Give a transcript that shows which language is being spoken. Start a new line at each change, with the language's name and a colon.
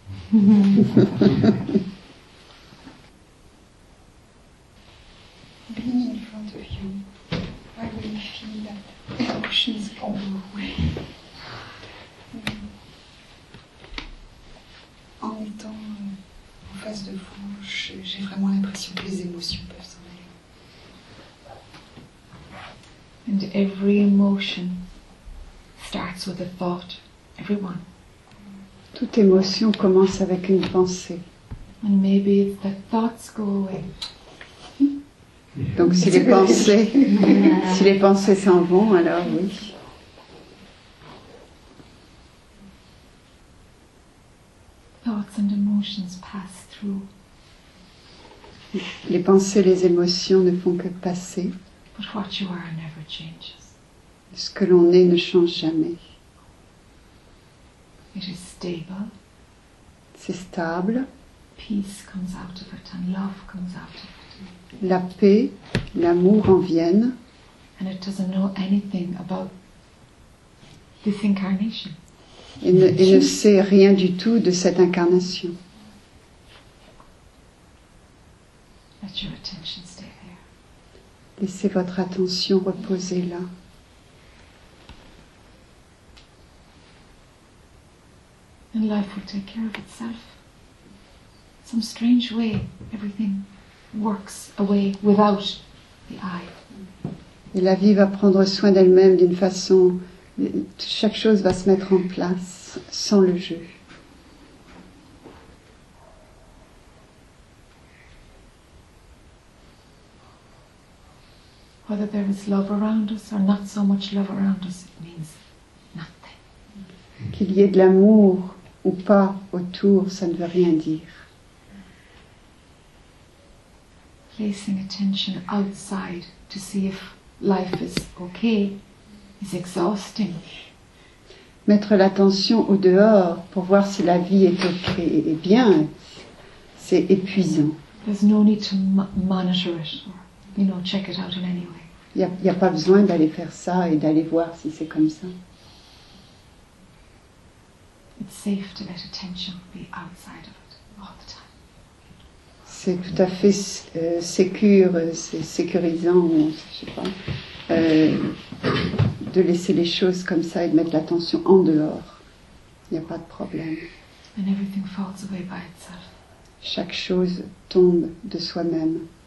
English: Being in front of you, I really feel that emotion is on the way.
French: En étant en face de vous, j'ai vraiment l'impression que les émotions peuvent s'en aller.
English: And every emotion starts with a thought. Everyone.
French: Toute émotion commence avec une pensée.
English: And maybe the thoughts go away. Yeah.
French: Donc si les pensées, si les pensées s'en vont, alors oui.
English: Thoughts and emotions pass through.
French: Les pensées, les émotions ne font que passer.
English: But what you are never changes.
French: Ce que l'on est ne change jamais.
English: It is stable.
French: C'est stable.
English: Peace comes out of it and love comes out of it.
French: La paix, l'amour en viennent.
English: And it doesn't know anything about this incarnation.
French: Et ne sait rien du tout de cette incarnation.
English: Let your attention stay there.
French: Laissez votre attention reposer là.
English: And life will take care of itself. Some strange way, everything works away without the I.
French: Et la vie va prendre soin d'elle-même d'une façon. Chaque chose va se mettre en place sans le jeu.
English: Whether there is love around us or not so much love around us, it means nothing.
French: Qu'il y ait de l'amour ou pas autour, ça ne veut rien dire.
English: Placing attention outside to see if life is okay is exhausting.
French: Mettre l'attention au dehors pour voir si la vie est okay et bien, c'est épuisant.
English: There's no need to monitor it, or, you know, check it out in any way.
French: Y a pas besoin d'aller faire ça et d'aller voir si c'est comme ça.
English: It's safe to let attention be outside of it all the time.
French: C'est tout à fait sécure, c'est sécurisant, je sais pas, de laisser les choses comme ça et de mettre l'attention en dehors. Il n'y a pas de problème.
English: And everything falls away by itself.
French: Chaque chose tombe de soi-même.